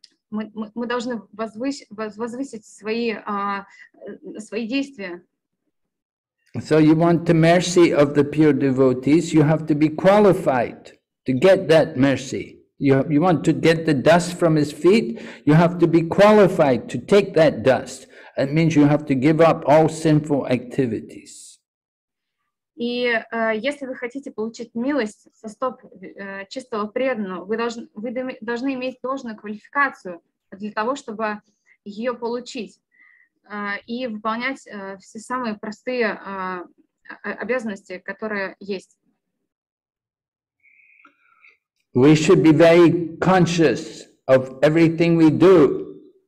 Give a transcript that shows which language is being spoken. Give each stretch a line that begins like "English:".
Russian: Мы должны возвысить свои действия.
English: So you want the mercy of the pure devotees, you have to be qualified to get that mercy. You want to get the dust from his feet, you have to be qualified to take that dust. It means you have to give up all sinful activities.
Russian: И если вы хотите получить милость со стоп чистого преданного, вы должны иметь должную квалификацию для того, чтобы ее получить и выполнять все самые простые обязанности, которые есть.
English: We should be very conscious of everything we do.